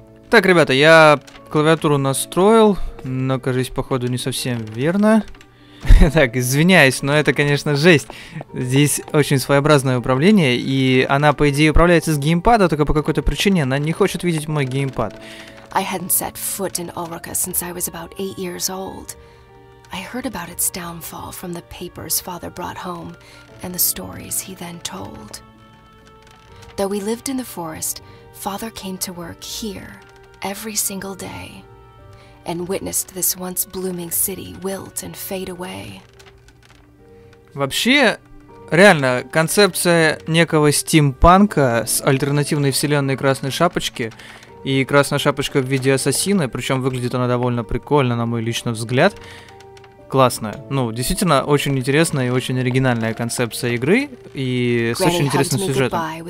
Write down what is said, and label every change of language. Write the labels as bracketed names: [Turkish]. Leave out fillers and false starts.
[Russian] Так, ребята, я клавиатуру настроил, но, кажется, походу не совсем верно. Так, извиняюсь, но это, конечно, жесть. Здесь очень своеобразное управление, и она, по идее, управляется с геймпада, только по какой-то причине она не хочет видеть мой геймпад. [English] I hadn't set foot in Ulrica since I was about 8 years old. I heard about its downfall from the papers father brought home and the stories he then told. Though we lived in the forest, father came to work here. Every single day, and witnessed this once blooming city wilt and fade away. [Russian] Вообще, реально, концепция некого стимпанка с альтернативной вселенной Красной Шапочки и Красная Шапочка в виде ассасина, причем выглядит она довольно прикольно, на мой личный взгляд, классная. Ну, действительно, очень интересная и очень оригинальная концепция игры и с очень интересным сюжетом.